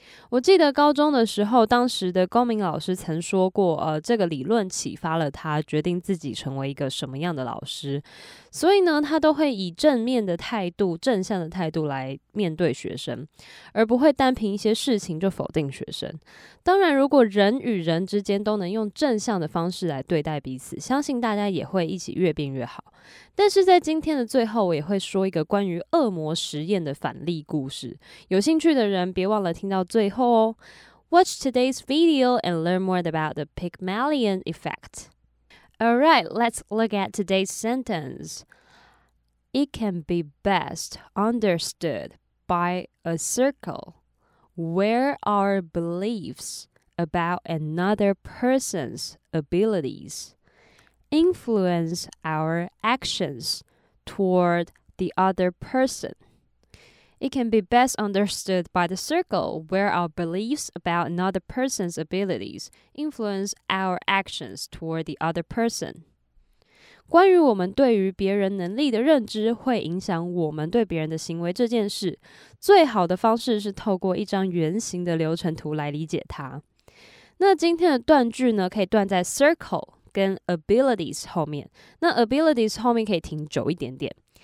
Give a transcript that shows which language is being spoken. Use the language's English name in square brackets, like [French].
[Chinese] 我记得高中的时候，当时的公民老师曾说过，这个理论启发了他决定自己成为一个什么样的老师，所以呢，他都会以正面的态度、正向的态度来面对学生，而不会单凭一些事情就否定学生。当然，如果人与人之间都能用正向的方式来对待彼此，相信大家也会一起越变越好。但是在今天的最后，我也会说一个关于恶魔实验的反例故事，有兴趣的人别忘了听到最后哦。 [English] Watch today's video and learn more about the Pygmalion effect. Alright, let's look at today's sentence. It can be best understood by a circle where our beliefs about another person's abilitiesinfluence our actions toward the other person. It can be best understood by the circle where our beliefs about another person's abilities influence our actions toward the other person. [Chinese] 关于我们对于别人能力的认知会影响我们对别人的行为这件事，最好的方式是透过一张圆形的流程图来理解它。那今天的断句呢，可以断在 circle跟 abilities 后面，那 abilities 后面可以停久一点点。